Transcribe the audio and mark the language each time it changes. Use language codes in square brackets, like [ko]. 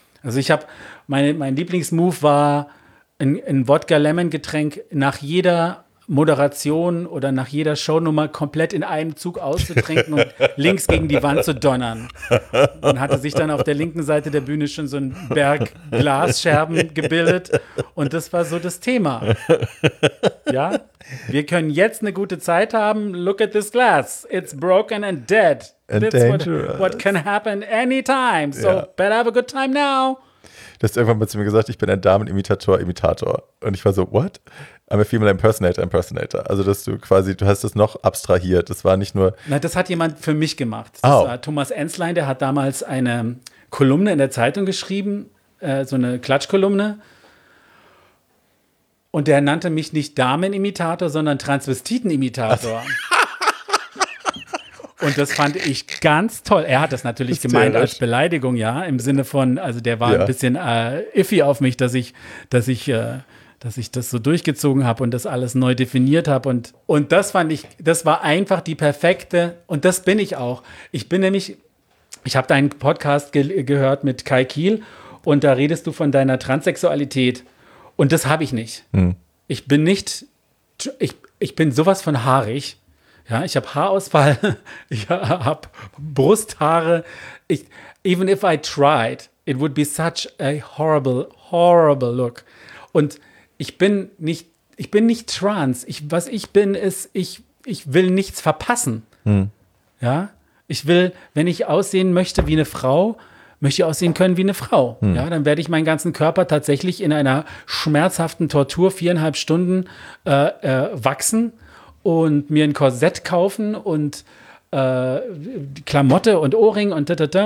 [de] Also ich habe, mein Lieblingsmove war ein Wodka-Lemon-Getränk nach jeder Moderation oder nach jeder Shownummer komplett in einem Zug auszutrinken und links gegen die Wand zu donnern. Man hatte sich dann auf der linken Seite der Bühne schon so ein Berg Glasscherben gebildet und das war so das Thema. Ja, wir können jetzt eine gute Zeit haben. [en] Look at this glass. It's broken and dead. And this dangerous. What can happen anytime. So yeah. Better have a good time now. [de] Du hast irgendwann mal zu mir gesagt, ich bin ein Damenimitator. Und ich war so, what? [en] I'm a female impersonator. [de] Also, dass du quasi, du hast das noch abstrahiert. Das war nicht nur. Na, das hat jemand für mich gemacht. Das war Thomas Enzlein, der hat damals eine Kolumne in der Zeitung geschrieben, so eine Klatschkolumne. Und der nannte mich nicht Damenimitator, sondern Transvestitenimitator. Und das fand ich ganz toll. Er hat das natürlich gemeint als Beleidigung, ja, im Sinne von, also der war ein bisschen iffy auf mich, dass ich das so durchgezogen habe und das alles neu definiert habe. Und das fand ich, das war einfach die perfekte, und das bin ich auch. Ich bin nämlich Ich habe deinen Podcast gehört mit Kai Kiel und da redest du von deiner Transsexualität und das habe ich nicht. Hm. Ich bin nicht, ich bin sowas von haarig. Ja, ich habe Haarausfall, ich habe Brusthaare. [en] Ich, even if I tried, it would be such a horrible, horrible look. [de] Und ich bin nicht trans. Was ich bin, ist, ich will nichts verpassen. Hm. Ja, ich will, wenn ich aussehen möchte wie eine Frau, möchte ich aussehen können wie eine Frau. Hm. Ja, dann werde ich meinen ganzen Körper tatsächlich in einer schmerzhaften Tortur 4,5 Stunden wachsen und mir ein Korsett kaufen und Klamotte und Ohrring und tatata.